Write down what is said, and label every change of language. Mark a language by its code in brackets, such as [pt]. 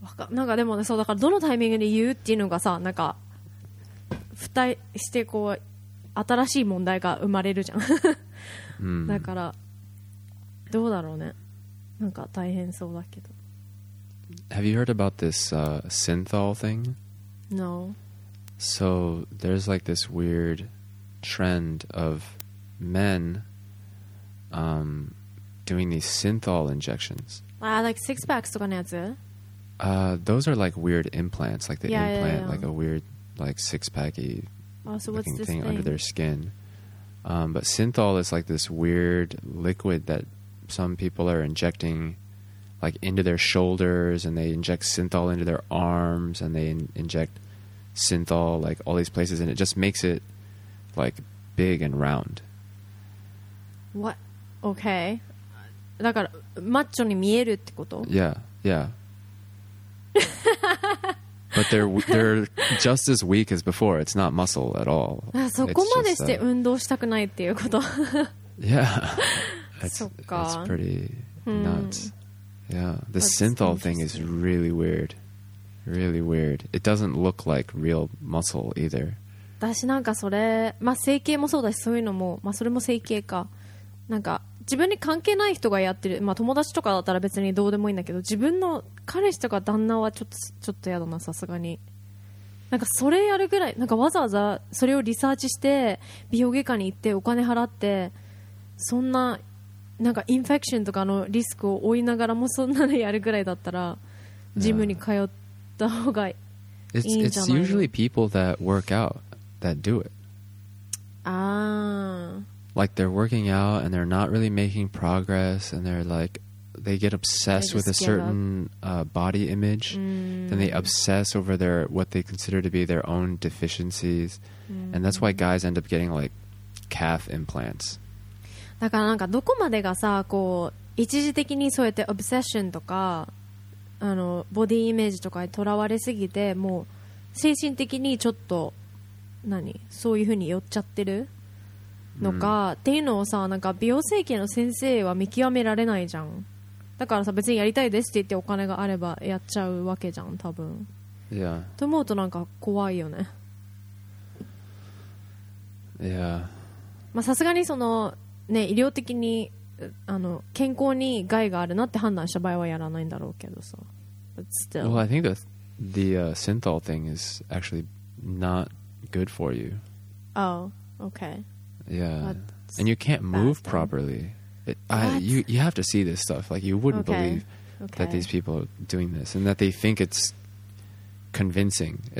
[ja] なんかでもね、そうだからどのタイミングで言うっていうのがさ、なんか付帯してこう新しい問題が生まれるじゃん。だからどうだろうね。なんか大変そうだけど。 [en] Have you heard about this synthol thing? No. So there's like this weird trend of men doing these synthol injections. Like six packs [ja] とかのやつ? [en] Those are like weird implants, like the implant. Like a weird like six packy thing under their skin. But synthol is like this weird liquid that some people are injecting like into their shoulders, and they inject synthol into their arms, and they inject synthol like all these places, and it just makes it like big and round. What? Okay. [ja] だからマッチョに見えるってこと? [en] Yeah, yeah. But they're just as weak as before. It's not muscle at all. [ja] そこまでして運動したくないっていうこと? [en] Yeah. [ja] そっか。 [en] That's pretty nuts. Yeah, the synthol thing is really weird. Really weird. It doesn't look like real muscle either. [ja] 私なんかそれ、まあ整形もそうだし、そういうのも、まあそれも整形か。なんか自分に関係ない人がやってる、まあ友達とかだったら別にどうでもいいんだけど、自分の彼氏とか旦那はちょっとやだな、さすがに。なんかそれやるぐらい、なんかわざわざそれをリサーチして、美容外科に行ってお金払って、そんな、なんかインフェクションとかのリスクを負いながらもそんなのやるぐらいだったらジムに通った方がいいんじゃないの? [en] It's usually people that work out that do it. Like they're working out and they're not really making progress and they're like they get obsessed with a certain body image. Then they obsess over their what they consider to be their own deficiencies. And that's why guys end up getting like calf implants. [ja] だからなんかどこまでがさこう一時的にそうやってオブセッションとかあのボディイメージとかにとらわれすぎてもう精神的にちょっと何そういう風に寄っちゃってるのか、っていうのをさなんか美容整形の先生は見極められないじゃん。だからさ別にやりたいですって言ってお金があればやっちゃうわけじゃん多分。いや。と思うとなんか怖いよね。いや。まあさすがにそのね、医療的にあの健康に害があるなって判断した場合はやらないんだろうけどさ。 [en] But still. Well, I think the synthol thing is actually not good for you. Oh, okay. Yeah. That's and you can't move properly. You have to see this stuff. Like, you wouldn't believe that these people are doing this and that they think it's convincing.